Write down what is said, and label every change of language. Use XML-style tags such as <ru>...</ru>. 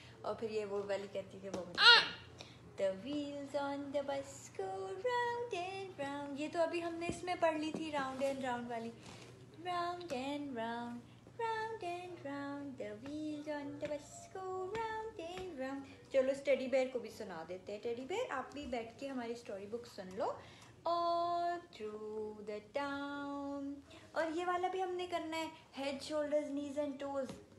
<hi>और फिर ये वो वाली कहती है, वो</hi> <en>the wheels on the bus go round and round.</en> <hi>ये तो अभी हमने इसमें पढ़ ली थी,</hi> <en>round and round</en> <hi>वाली.</hi> <en>Round and round, round and round, the wheels on the bus go round and round.</en> <hi>चलो इस टेडी बेयर को भी सुना देते हैं. टेडी बेयर, आप भी बैठ के हमारी story book soon low.</hi> <en>All through the town.</en> <hi>और ये वाला भी हमने करना है,</hi> <en>head, shoulders, knees and toes.</en>